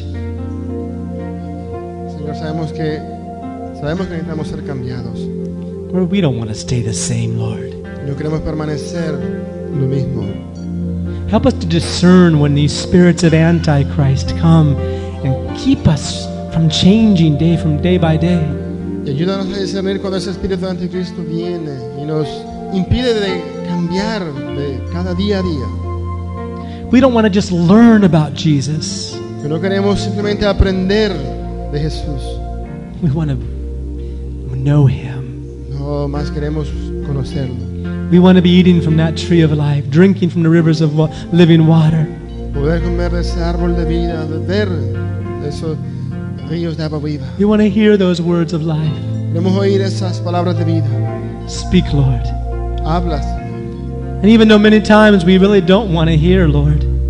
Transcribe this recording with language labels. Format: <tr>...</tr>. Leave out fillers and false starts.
<es>Señor, sabemos que necesitamos ser cambiados.</es> <en>Lord, we don't want to stay the same, Lord.</en> <es>No queremos permanecer lo mismo.</es> <en>Help us to discern when these spirits of Antichrist come and keep us from changing day by day.</en> <es>Y ayúdanos a discernir cuando ese espíritu de Anticristo viene y nos impide de cambiar de cada día a día.</es> <en>We don't want to just learn about Jesus.</en> <es>No queremos simplemente aprender de Jesús.</es> <en>We want to know Him.</en> <es>No, más queremos conocerlo.</es> <en>We want to be eating from that tree of life, drinking from the rivers of living water.</en> <es>Poder comer de ese árbol de vida, beber de esos ríos de agua viva.</es> <en>We want to hear those words of life.</en> <es>Queremos oír esas palabras de vida.</es> <en>Speak, Lord.</en> <es>Habla.</es> <en>And even though many times we really don't want to hear, Lord.</en>